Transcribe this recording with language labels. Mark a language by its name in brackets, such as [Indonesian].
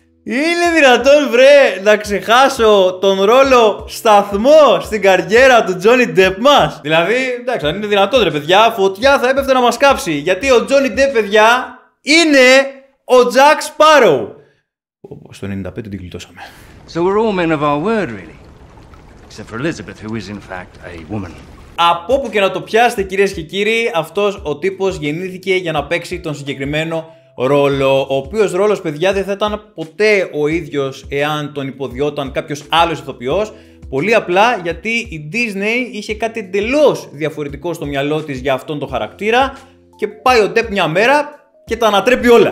[Greek] Είναι δυνατόν, βρε, να ξεχάσω τον ρόλο σταθμό στην καριέρα του Johnny Depp μας? Δηλαδή, εντάξει, αν είναι δυνατόν, ρε παιδιά, φωτιά θα έπεφτε να μας κάψει. Γιατί ο Johnny Depp, παιδιά, είναι ο Jack Sparrow. Όπως το 95 την κλειτώσαμε. [English] So we're all men of our word, really. Except for Elizabeth, who is in fact a woman. [Greek] Από όπου και να το πιάσετε, κυρίες και κύριοι, αυτός ο τύπος γεννήθηκε για να παίξει τον συγκεκριμένο ρόλο. Ο οποίος ρόλος, παιδιά, δεν θα ήταν ποτέ ο ίδιος εάν τον υποδιόταν κάποιος άλλος ηθοποιός. Πολύ απλά γιατί η Disney είχε κάτι εντελώς διαφορετικό στο μυαλό της για αυτόν τον χαρακτήρα και πάει ο Depp μια μέρα και τα ανατρέπει όλα.